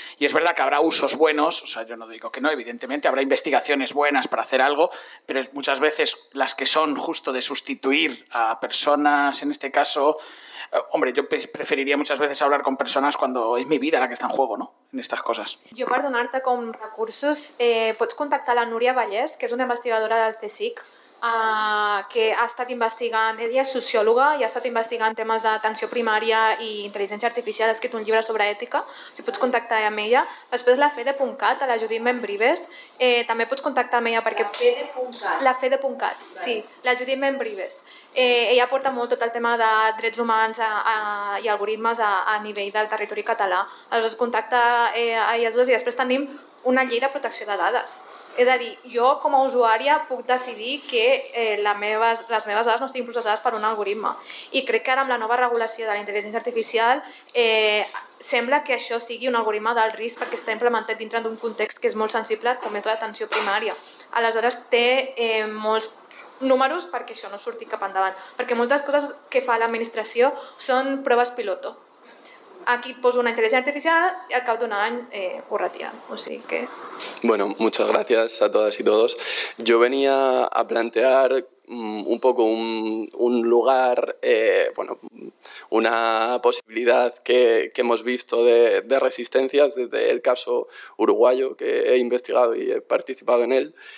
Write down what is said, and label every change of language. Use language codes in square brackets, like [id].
[es] Y es verdad que habrá usos buenos, o sea, yo no digo que no, evidentemente, habrá investigaciones buenas para hacer algo, pero muchas veces las que son justo de sustituir a personas, en este caso... Hombre, yo preferiría muchas veces hablar con personas cuando es mi vida la que está en juego, ¿no? En estas cosas. Yo, para [ca] donar-te con recursos, pots contactar la Núria Vallès, que és una investigadora del CSIC, que ha estat investigant, ella és sociòloga i ha estat investigant temes d'atenció primària i intel·ligència artificial, ha escrit un llibre sobre ètica, si pots contactar amb ella. Després la Fede.cat, a la Judit Membrives, també pots contactar amb ella perquè... La Fede.cat, sí, la Judit Membrives. Ella porta molt tot el tema de drets humans i algoritmes a nivell del territori català. Aleshores, contacta a elles dues i després tenim una llei de protecció de dades. És a dir, jo com a usuària puc decidir que les meves dades no estiguin processades per un algoritme. I crec que ara amb la nova regulació de la intel·ligència artificial sembla que això sigui un algoritme d'alt risc perquè està implementat dintre d'un context que és molt sensible com és l'atenció primària. Aleshores té molts números perquè això no surti cap endavant. Perquè moltes coses que fa l'administració són proves piloto. Aquí poso [es] una inteligencia artificial y al cabo de un año urratian, o sí que... Bueno, muchas gracias a todas y todos. Yo venía a plantear un poco un lugar, bueno, una posibilidad que hemos visto de resistencias desde el caso uruguayo que he investigado y he participado en él.